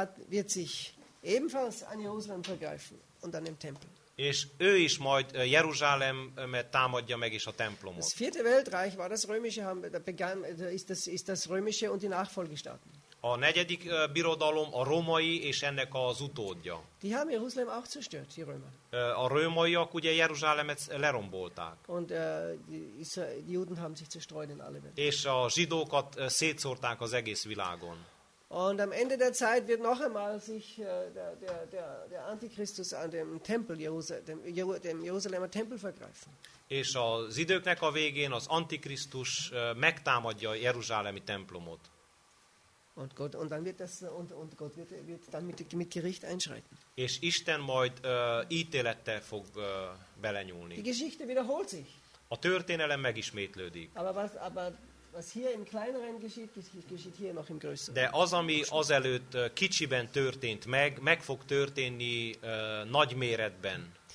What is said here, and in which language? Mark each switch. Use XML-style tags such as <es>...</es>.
<de>wird sich ebenfalls an Jeruzsálem vergreifen und an dem Tempel.</de> <hu>És ő is majd Jeruzsálemet támadja meg és a templomot.</hu> <de>Das vierte Weltreich war das römische, ist das römische und die Nachfolgestaaten.</de> <hu>A negyedik birodalom a római és ennek az utódja.</hu> <de>Die haben Jerusalem auch zerstört, die Römer.</de> <hu>A rómaiak ugye Jeruzsálemet lerombolták.</hu> <de>Und die Juden haben sich zerstreut in alle Welt.</de> <hu>És a zsidókat szétszórták az egész világon.</hu> <de>Und am Ende der Zeit wird noch einmal sich der Antichristus an dem Tempel dem Jerusalemer Tempel vergreifen.</de> <hu>És az időknek a végén az Antikrisztus megtámadja a jeruzsálemi templomot.</hu> <de>Und Gott und dann wird das und Gott wird dann mit Gericht einschreiten.</de> <hu>És Isten majd ítélettel fog belenyúlni.</hu> <de>Die Geschichte wiederholt sich.</de> <hu>A történelem megismétlődik.</hu> <de>Aber was hier im kleineren geschieht hier noch im größeren.</de> <hu>De az, ami azelőtt kicsiben történt meg, meg fog történni nagy méretben.</hu>